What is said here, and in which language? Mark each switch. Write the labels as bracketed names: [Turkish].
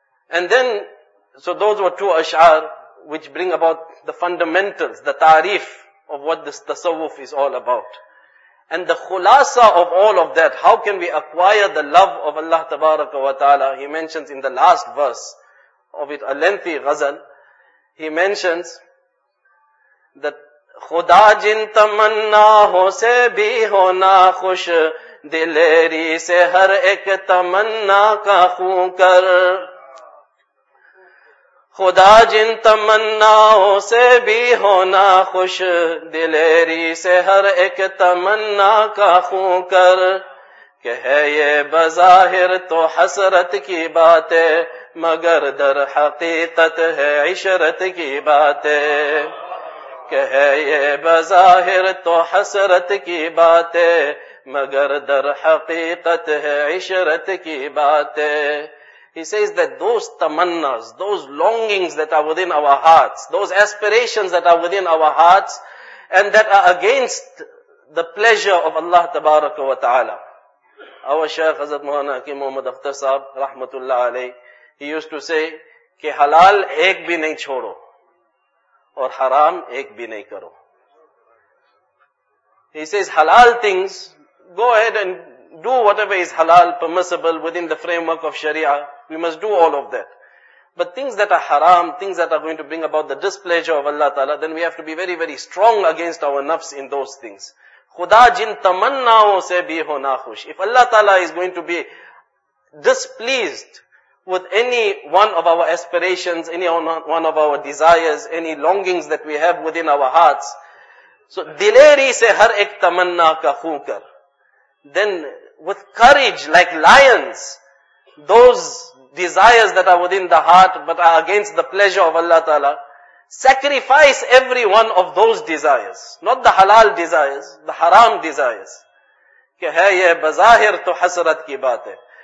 [English] And then, so those were two ash'ar which bring about the fundamentals, the ta'rif of what this tasawwuf is all about. And the khulasa of all of that, how can we acquire the love of Allah Tabaraka wa Ta'ala, he mentions in the last verse of it, a lengthy ghazal, he mentions that [Urdu] خدا جن تمناہوں سے بھی ہونا خوش, دلیری سے ہر ایک تمنا کا خون کر, خدا جن تمناہوں سے بھی ہونا خوش, دلیری سے ہر ایک تمنا کا خون کر, کہ ہے یہ بظاہر تو حسرت کی باتیں, مگر در حقیقت ہے عشرت کی باتیں, کہ ہے یہ بظاہر تو حسرت کی باتیں, مگر در حقیقت ہے عشرت کی باتیں. [English] He says that those tamannas, those longings that are within our hearts, those aspirations that are within our hearts, and that are against the pleasure of Allah tabaraka wa ta'ala. Our Shaykh Hazrat Mawlana Hakim Muhammad Akhtar Sahab, rahmatullah alayh, he used to say, [Urdu] کہ حلال ایک بھی نہیں چھوڑو, اور حرام ایک بھی نہیں کرو. [English] He says, halal things, go ahead and do whatever is halal, permissible, within the framework of sharia. We must do all of that. But things that are haram, things that are going to bring about the displeasure of Allah Ta'ala, then we have to be very, very strong against our nafs in those things. [Urdu] خدا جن تمناؤں سے بھی ہونا خوش. [English] If Allah Ta'ala is going to be displeased with any one of our aspirations, any one of our desires, any longings that we have within our hearts, so [Urdu] dileri se har ek tamanna ka khun kar, [English] then with courage like lions, those desires that are within the heart but are against the pleasure of Allah Ta'ala, sacrifice every one of those desires, not the halal desires, the haram desires. [Urdu] Ke hai ye bazahir to hasrat ki baat hai.